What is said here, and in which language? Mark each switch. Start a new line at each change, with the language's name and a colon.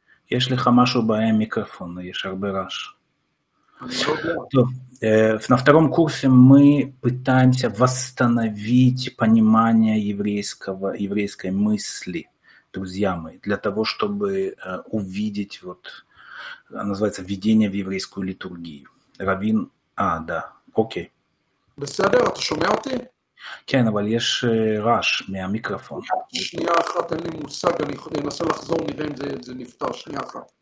Hebrew: יש לך משהו בעיה עם מיקרופון, יש הרבה רעש.
Russian: טוב, на втором курсе мы пытаемся восстановить понимание еврейской мысли, друзья мои, для того, чтобы увидеть, вот, называется, введение в еврейскую литургию. Раввин, а, да, окей.
Hebrew: בסדר, אתה שומע אותי? כן, אבל יש רעש מהמיקרופון. שנייה אחת, אין לי מושג, אני אנסה לחזור, נראה אם זה נפתר, שנייה אחת.